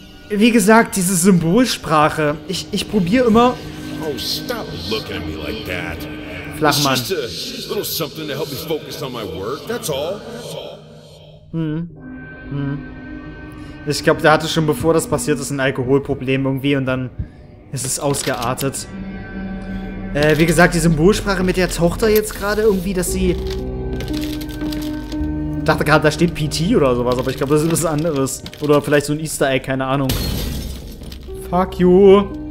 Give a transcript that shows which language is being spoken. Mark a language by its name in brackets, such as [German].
[German] Wie gesagt, diese Symbolsprache. Ich probiere immer. [English] Oh, stop looking at me like that. [German] Flachmann. [English] It's just a little something to help me focus on my work. That's all. [German] Ich glaube, der hatte schon, bevor das passiert ist, ein Alkoholproblem irgendwie und dann ist es ausgeartet. Wie gesagt, die Symbolsprache mit der Tochter jetzt gerade irgendwie, dass sie. Ich dachte gerade, da steht PT oder sowas, aber ich glaube, das ist was anderes. Oder vielleicht so ein Easter Egg, keine Ahnung. [English] Fuck you.